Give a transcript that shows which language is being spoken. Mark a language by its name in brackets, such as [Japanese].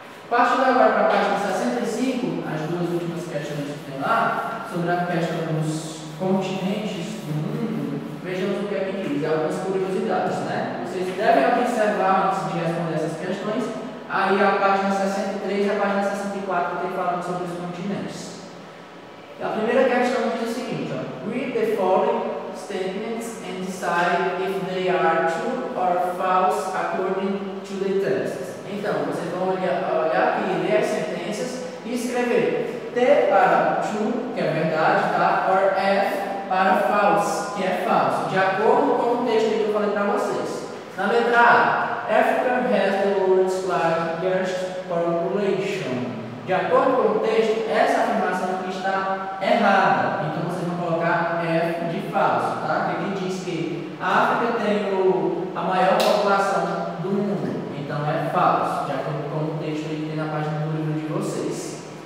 [Portuguese] Partindo agora para a página 65, as duas últimas questões que tem lá, sobre a questão dos continentes do mundo, vejamos o que é que diz, algumas curiosidades, né? Vocês devem observar antes de responder essas questões, aí a página 63 e a página 64 tem falando sobre os continentes. A primeira questão diz o seguinte, ó. [English] Read the following statements and decide if they are true or false according to the text. [Portuguese] Então, vocês vão olhar aqui, ler as sentenças e escrever T para true, que é verdade, tá? Or F para false, que é falso, de acordo com o texto que eu falei para vocês. Na letra A, [English] Africa has the world's largest population. [Portuguese] De acordo com o texto, essa afirmação aqui está errada. Então vocês vão colocar F de falso, tá? Porque aqui diz que a África tem a maior população do mundo. Então é falso, de acordo com o texto que tem na página do livro de vocês.